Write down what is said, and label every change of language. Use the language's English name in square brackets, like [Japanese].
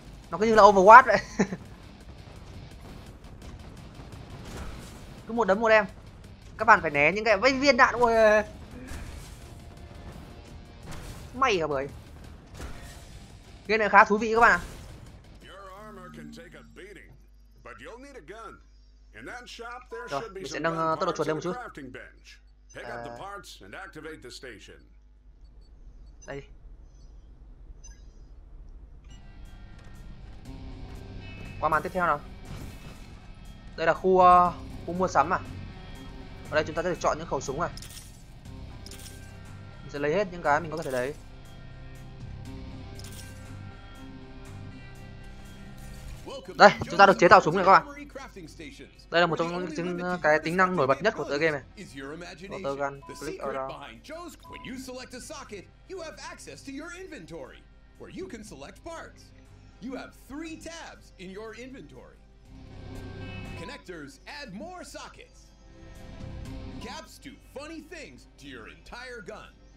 [Vietnamese] Nó cứ như là Overwatch vậy. Cứ một đấm một em. Các bạn phải né những cái viên đạn của... May hả bởi. Game này khá thú vị các bạn ạ. [English] Your armor can take a beating, but you'll need a gun. In that shop there should be some. [Vietnamese] Rồi, mình sẽ nâng tốc độ chuột lên một chút. [English] Pick up the parts and activate the station. [Vietnamese] Đây. Qua màn tiếp theo nào. Đây là khu mua sắm à. Ở đây chúng ta sẽ được chọn những khẩu súng này. Mình sẽ lấy hết những cái mình có thể lấy. Đây, chúng ta được chế tạo súng này các bạn. Đây là một trong những cái tính năng nổi bật nhất của tựa game này. [English] Rotor gun, click order. When you select a socket, you have access to your inventory, where you can select parts. you have 3 tabs in your inventory. Connectors add more sockets. Caps do funny things to your entire gun.